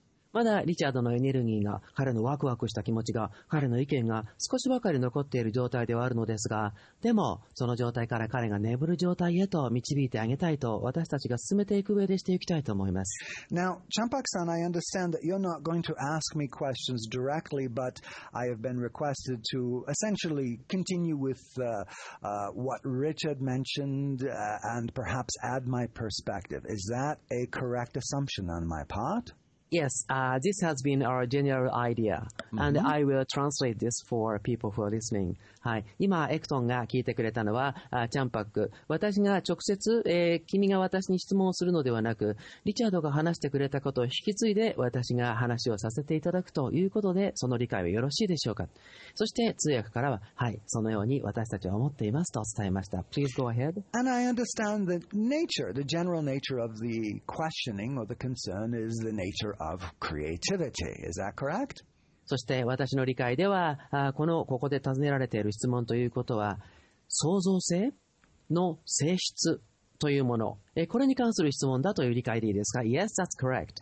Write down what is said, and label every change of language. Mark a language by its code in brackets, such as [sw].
[ja] まだリチャードのエネルギーが、彼のワクワクした気持ちが、彼の意見が少しばかり残っている状態ではあるのですが、でもその状態から彼が眠る状態へと導いてあげたいと、私たちが進めていく上でしていきたいと思います。 [en] Now, Champak-san, I understand that you're not going to ask me questions directly, but I have been requested to essentially continue with what Richard mentioned and perhaps add my perspective. Is that a correct assumption on my part? Yes, this has been our general idea, and、mm-hmm. I will translate this for people who are listening.、 [ja] はい、今、エクトンが聞いてくれたのは、チャンパック。私が直接、君が私に質問をするのではなく、リチャードが話してくれたことを引き継いで私が話をさせていただくということで、その理解はよろしいでしょうか。そして、通訳からは、はい、そのように私たちは思っていますと伝えました。 [en] Please go ahead. And I understand the nature, the general nature of the questioning or the concern is the natureOf creativity. Is that correct? [ja] そして私の理解では、このここで尋ねられている質問ということは、創造性の性質というもの、これに関する質問だという理解でいいですか ? [en] Yes, that's correct.、